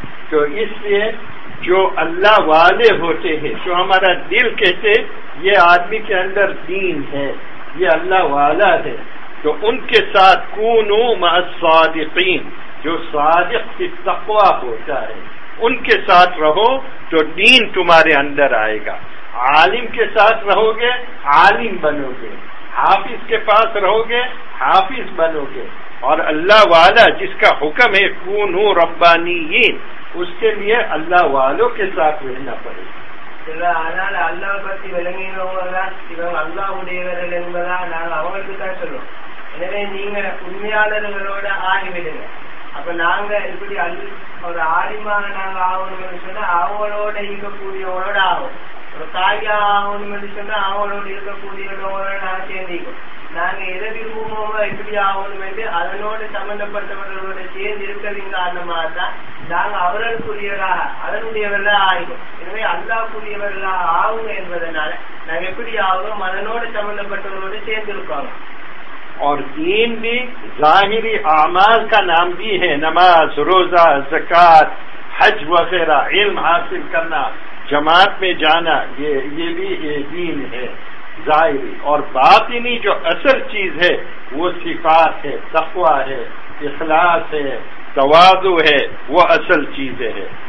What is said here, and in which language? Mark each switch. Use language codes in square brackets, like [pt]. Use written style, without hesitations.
[ur] تو اس لیے جو اللہ والے ہوتے ہیں جو ہمارا دل کہتے ہیں یہ آدمی کے اندر دین ہے یہ اللہ والا ہے تو ان کے ساتھ [ar] کونوا مع الصادقین [ur] جو صادق کی تقویٰ ہوتا ہے ان کے ساتھ رہو تو دین تمہارے اندر آئے گا عالم کے ساتھ رہو گے عالم بنو گے حافظ کے پاس رہو گے حافظ بنو گے اور اللہ والا جس کا حکم ہے [ar] کونوا ربانیین [ur] اس کے لیے اللہ والوں کے ساتھ رہنا پڑے گا [ta] ஆனால் அல்லாஹ் பற்றி விளங்கினவங்கதான் இவங்க அல்லாஹுடையவர்கள் என்பதா நாங்கள் அவங்களுக்கு தான் சொல்லுவோம். எனவே நீங்க உண்மையாளர்களோட ஆகிவிடுங்க. அப்ப நாங்க இப்படி ஒரு ஆலிமாக நாங்க ஆகணும்னு சொன்னா அவங்களோட இருக்கக்கூடியவங்களோட ஆகும். ஒரு தாயா ஆகணும்னு சொன்னா அவங்களோட இருக்கக்கூடியவங்களோட நாங்க சேர்ந்திக்கும். நாங்க எதை விரும்புவோம் எப்படி ஆகணும்னு அதனோட சம்பந்தப்பட்டவர்களோட சேர்ந்து இருக்கிறதின் காரணமாக தான் நாங்க அவர்களுக்குரியவராக அதனுடையவர்களா ஆகும். எனவே அல்லாஹ்க்குரியவர்களா ஆகும் என்பதனால நாங்க எப்படி ஆகணும் அதனோட சம்பந்தப்பட்டவர்களோட சேர்ந்திருக்காங்க. [ur] اور دین بھی ظاہری اعمال کا نام بھی ہے، نماز، روزہ، زکات، حج وغیرہ، علم حاصل کرنا، جماعت میں جانا، یہ بھی دین ہے ظاہری. اور باطنی جو اصل چیز ہے وہ صفات ہے، تقویٰ ہے، اخلاص ہے، تواضع ہے، وہ اصل چیزیں ہیں.